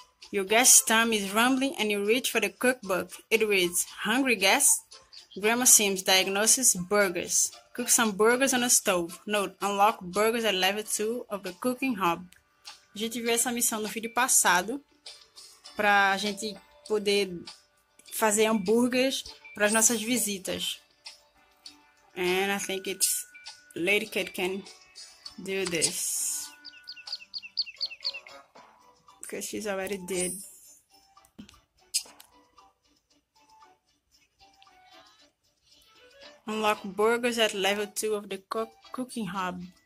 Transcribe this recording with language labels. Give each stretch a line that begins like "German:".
English: Your guest tummy is rumbling and you reach for the cookbook. It reads, hungry guest? Grandma Sims diagnosis burgers. Cook some burgers on a stove. Note, unlock burgers at level 2 of the cooking hub.
Portuguese: A gente viu essa missão no vídeo passado para a gente poder fazer hambúrgueres para as nossas visitas.
English: And I think it's Lady Cat can do this because she's already did. Unlock burgers at level 2 of the cooking hub.